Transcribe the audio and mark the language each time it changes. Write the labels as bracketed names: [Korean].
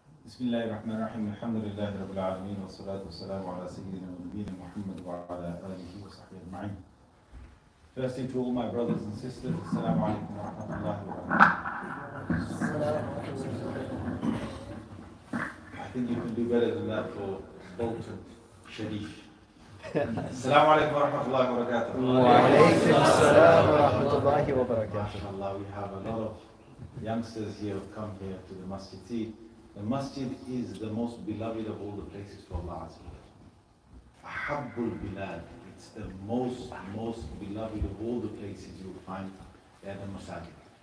[Arabic] بسم الله الرحمن الرحيم الحمد لله رب العالمين والصلاة والسلام على سيدنا ونبينا محمد وعلى آله وصحبه أجمعين. [English] Firstly to all my brothers and sisters, [Arabic] السلام عليكم ورحمة الله وبركاته. [English] I think you can do better than that for Bolton Sharif. [Arabic] السلام عليكم ورحمة الله وبركاته. وعليكم السلام ورحمة الله وبركاته. [English] ما شاء الله, we have a lot of youngsters here who come here to the Masjid. The Masjid is the most beloved of all the places for Allah Azza wa Jalla. Ahabbul Bilad, it's the most beloved of all the places you'll find at the Masjid.